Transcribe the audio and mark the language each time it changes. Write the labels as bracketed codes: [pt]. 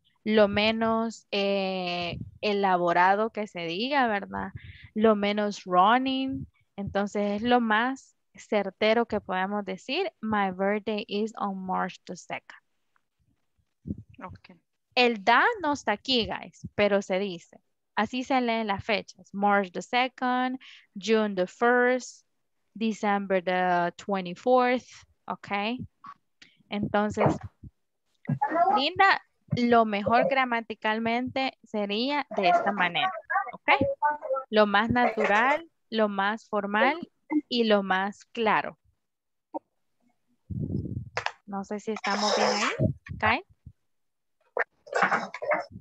[es] Lo menos elaborado que se diga, ¿verdad?, lo menos running, entonces es lo más certero que podemos decir, [en] my birthday is on March the 2nd. [es] Ok. El da no está aquí, guys, pero se dice. Así se leen las fechas. [en] March the 2nd, June the 1st, December the 24th, ¿ok? [es] Entonces, Linda, lo mejor gramaticalmente sería de esta manera, ¿ok? Lo más natural, lo más formal y lo más claro. No sé si estamos bien ahí, ¿ok?